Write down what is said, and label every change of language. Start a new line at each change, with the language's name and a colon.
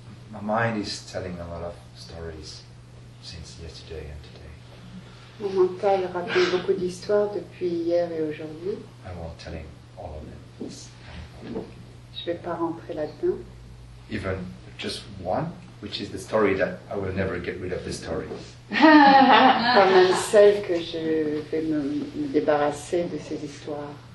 English: my mind is telling a lot of stories since yesterday and today.
French: Mon mental raconte beaucoup d'histoires depuis hier et aujourd'hui.
English: I'm not telling all of them.
French: Je vais pas rentrer là-dedans.
English: Even just one, which is the story that I will never get rid of the story.
French: Pas même celle que je vais me débarrasser de ces histoires.